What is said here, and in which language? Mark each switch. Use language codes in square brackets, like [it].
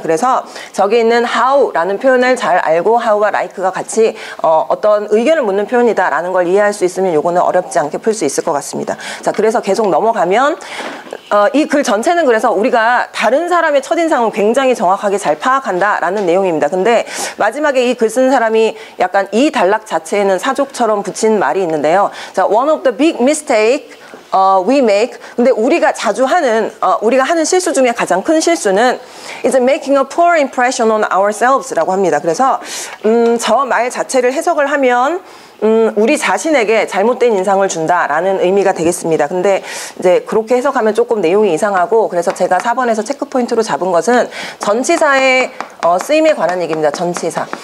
[ko] 그래서 저기 있는 how라는 표현을 잘 알고 how와 like가 같이 어떤 의견을 묻는 표현이다라는 걸 이해할 수 있으면 요거는 어렵지 않게 풀 수 있을 것 같습니다. 자, 그래서 계속 넘어가면 이 글 전체는 그래서 우리가 다른 사람의 첫인상을 굉장히 정확하게 잘 파악한다라는 내용입니다. 근데 마지막에 이 글 쓴 사람이 약간 이 단락 자체에는 사족처럼 붙인 말이 있는데요. [en] 자, one of the big mistake we make. [ko] 근데 우리가 자주 하는 우리가 하는 실수 중에 가장 큰 실수는 [en] is making a poor impression on ourselves [ko] 라고 합니다. 그래서 저 말 자체를 해석을 하면 우리 자신에게 잘못된 인상을 준다라는 의미가 되겠습니다. 근데 이제 그렇게 해석하면 조금 내용이 이상하고, 그래서 제가 4번에서 체크 포인트로 잡은 것은 전치사의 쓰임에 관한 얘기입니다. 전치사.